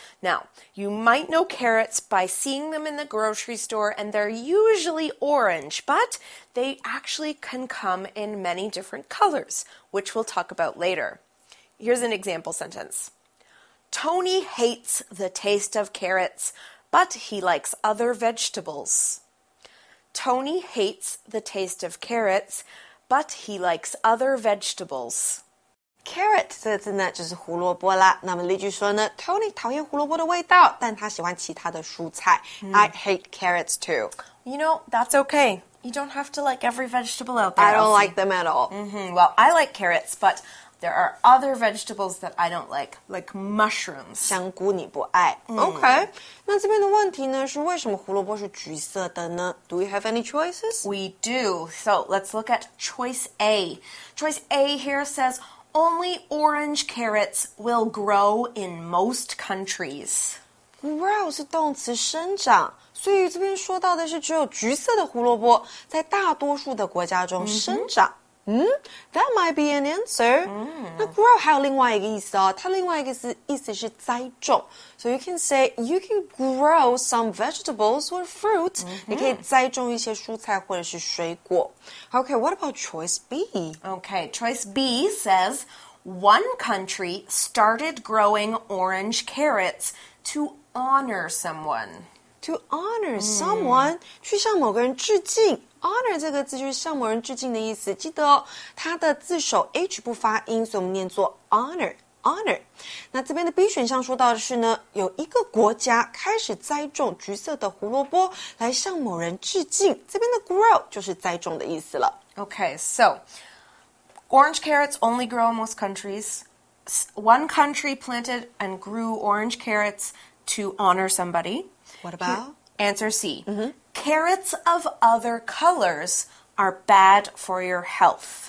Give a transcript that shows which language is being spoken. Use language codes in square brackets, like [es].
[en] Now, you might know carrots by seeing them in the grocery store, and they're usually orange, but they actually can come in many different colors, which we'll talk about later. Here's an example sentence. Tony hates the taste of carrots, but he likes other vegetables. Tony hates the taste of carrots, but he likes other vegetables. [zh] Carrot 这个字呢就是胡萝卜啦。那么例句说呢 ,Tony 讨厌胡萝卜的味道但他喜欢其他的蔬菜。 [en] I hate carrots too. You know, that's okay. You don't have to like every vegetable out there. I don't like them at all. Well, I like carrots, but there are other vegetables that I don't like mushrooms. [zh] 香菇你不爱。Okay. 那这边的问题呢是为什么胡萝卜是橘色的呢 ? [en] Do we have any choices? We do. So let's look at choice A. Choice A here says, only orange carrots will grow in most countries. [zh] Grow 是动词生长。所以这边说到的是只有橘色的胡萝卜在大多数的国家中生长。 [en] That might be an answer. [zh] 那 grow 还有另外一个意思哦，它另外一个意思是栽种。 [en] So you can say you can grow some vegetables or fruit. [zh] 你可以栽种一些蔬菜或者是水果。 [en] Okay, what about choice B? Okay, choice B says one country started growing orange carrots to honor someone. To honor someone, [zh] 去向某个人致敬。 Honor 这个字就是向某人致敬的意思。记得哦，它的字首 H 不发音，所以我们念作 honor, honor。那这边的 B 选项说到的是呢，有一个国家开始栽种橘色的胡萝卜来向某人致敬。这边的 grow 就是栽种的意思了。 [en] Okay, so orange carrots only grow in most countries. One country planted and grew orange carrots to honor somebody. What about? Answer C. Carrots of other colors are bad for your health.